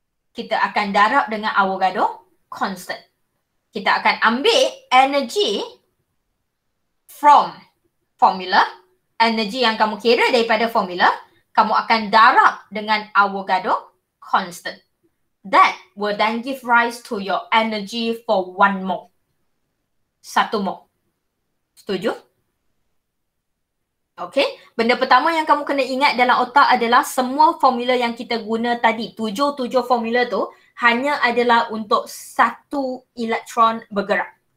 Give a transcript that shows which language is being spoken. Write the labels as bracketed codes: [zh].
[ms] Kita akan darab dengan Avogadro constant. Kita akan ambil energy from formula. Energy yang kamu kira daripada formula. Kamu akan darab dengan Avogadro constant. [en] That will then give rise to your energy for one mole. [ms] Satu mole. Setuju? Okay, benda pertama yang kamu kena ingat dalam otak adalah semua formula yang kita guna tadi, 7-7 formula tu hanya adalah untuk satu elektron bergerak.